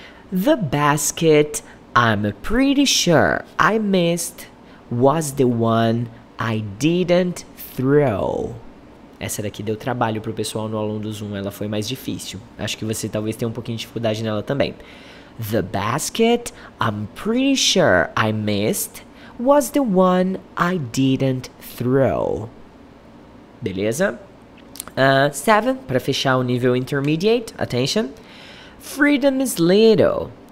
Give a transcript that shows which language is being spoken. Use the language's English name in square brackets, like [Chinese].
[English] The basket, I'm pretty sure I missed, was the one I didn't throw. [Portuguese] Essa daqui deu trabalho pro pessoal no aluno do Zoom, ela foi mais difícil. Acho que você talvez tenha um pouquinho de dificuldade nela também. [English] The basket, I'm pretty sure I missed, was the one I didn't throw. [Portuguese] Beleza? 7, para fechar o nível intermediate, attention. [English] Freedom is little.